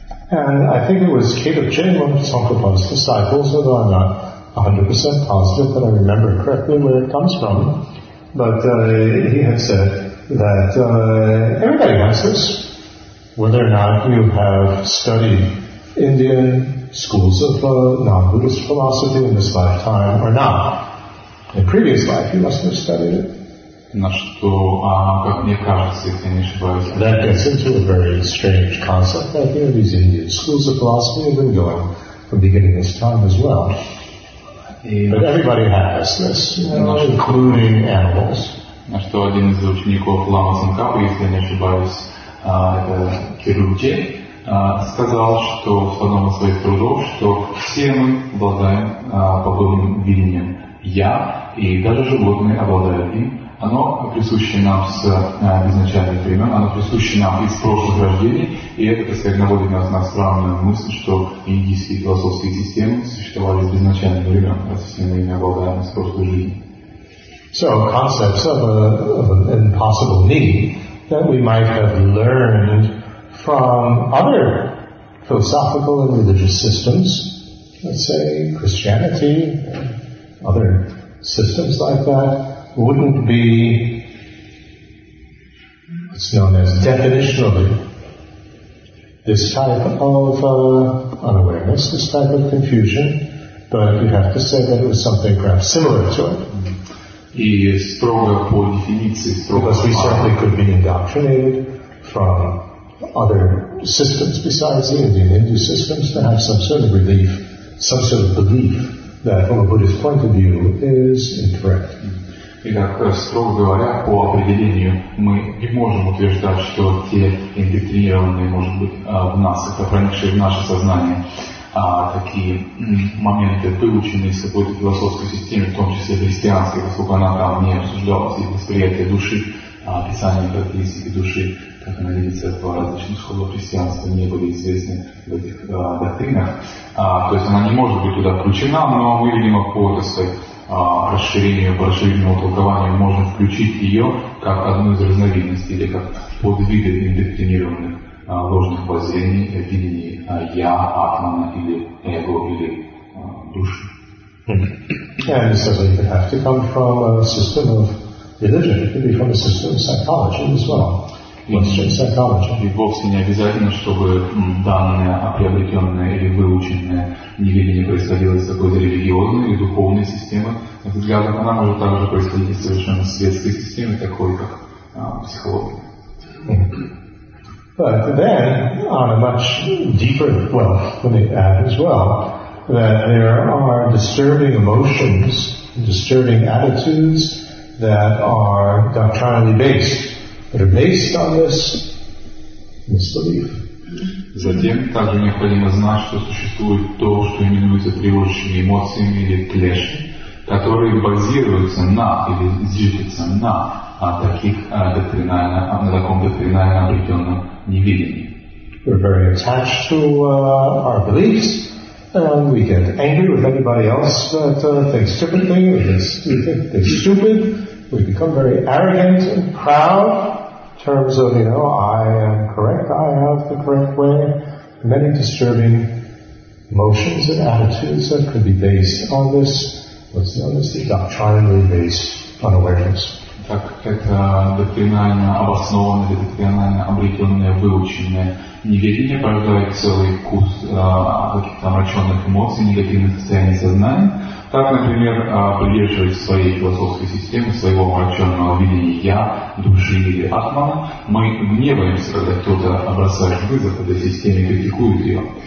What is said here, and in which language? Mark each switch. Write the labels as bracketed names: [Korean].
[English] And I think it was Kate of Jain, one of Tsongkhapa's disciples, although I'm not 100% positive that I remember correctly where it comes from, but he had said that everybody has this, whether or not you have studied Indian schools of non-Buddhist philosophy in this lifetime or not. In a previous life, you must have studied it. [Russian] На что, как мне кажется, если не ошибаюсь. [English] That gets into a very strange concept that you know, these Indian schools of philosophy have been going from beginning this time as well. But everybody has this, you know, including animals. [Russian] На что один из учеников Ламасанкап, если я не ошибаюсь, это Кирудже, сказал, что в одном из своих трудов, что все мы обладаем подобным видением. Я и даже животные обладают им. Оно присуще нам с изначальных времен, оно присуще нам из прошлых рождений, и это, так сказать, наводит нас на странную мысль, что индийские философские системы существовали с изначальных времен, а системы не обладаем из прошлой жизни. [English] So concepts of an impossible me that we might have learned from other philosophical and religious systems, let's say Christianity, other systems like that, wouldn't be what's known as definitionally this type of unawareness, this type of confusion, but you have to say that it was something perhaps similar to it. [Russian] И строго по дефиниции, строго [English] because we certainly could be indoctrinated from other systems besides the Indian systems to have some sort of relief, some sort of belief that from a Buddhist point of view is incorrect. [Russian] Итак, строго говоря, по определению, мы не можем утверждать, что те индоктринированные, может быть, в нас, это проникшие в наше сознание, такие моменты, выученные из какой-то философской системы, в том числе христианской, поскольку она там не обсуждалась, и восприятие души, описание характеристики души, как она видится в различных сходах христианства, не были известны в этих доктринах. То есть она не может быть туда включена, но мы, видимо, по этой расширению, по расширенному толкованию можем включить ее как одну из разновидностей или как подвиды индоктринированных ложных воззрений, видений я, атмана или эго или души. [English] And it says that you have to come from a system of religion, it could be from a system of psychology as well. [Russian] И вовсе не обязательно, чтобы данное приобретенное или выученное неведение происходило из какой-то религиозной или духовной системы. Взгляд, она может также происходить из совершенно светской системы, такой как психология. [English] But then, on a much deeper level, let me add as well, that there are disturbing emotions, disturbing attitudes that are doctrinally based. That are based on this misbelief. [Russian] Затем также необходимо знать, что существует то, что именуется тревожными эмоциями или клеши, которые базируются на или зиждутся на таких доктринально, на таком доктринально обретенном неведении. [English] We're very attached to our beliefs, and we get angry with anybody else that thinks differently, or thinks they're stupid. We become very arrogant and proud. In terms of, you know, I am correct, I have the correct way, many disturbing emotions and attitudes that could be based on this, what's known as the doctrinally based unawareness. [Russian] Так, это доктринально обоснованное, доктринально обретенное, выученное неведение порождает целый куст каких-то омраченных эмоций, негативных состояний сознания. Так, например, придерживаясь своей философской системы, своего омраченного видения «я», души или атмана, мы гневаемся, когда кто-то бросает вызов этой системе, критикует ее.